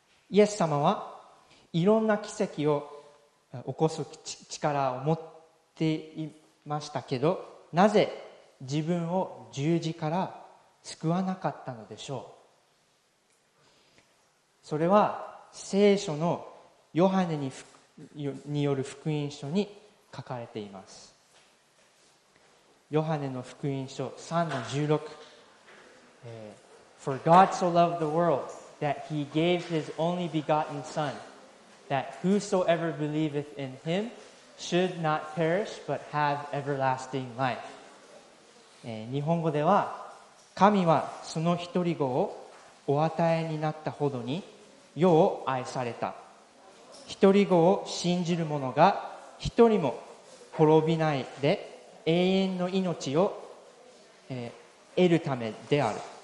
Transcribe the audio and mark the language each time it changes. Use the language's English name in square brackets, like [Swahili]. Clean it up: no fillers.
[Japanese] イエス様はいろんな奇跡を起こす力を持っていましたけど、なぜ自分を十字から救わなかったのでしょう。それは聖書のヨハネによる福音書に書かれています。 [English] ヨハネの福音書 3-16、For God so loved the world that he gave his only begotten son, that whosoever believeth in him should not perish but have everlasting life。 [Japanese] 日本語では、神はその一人子をお与えになったほどに世を愛された、一人子を信じる者が一人も滅びないで永遠の命を、得るためである。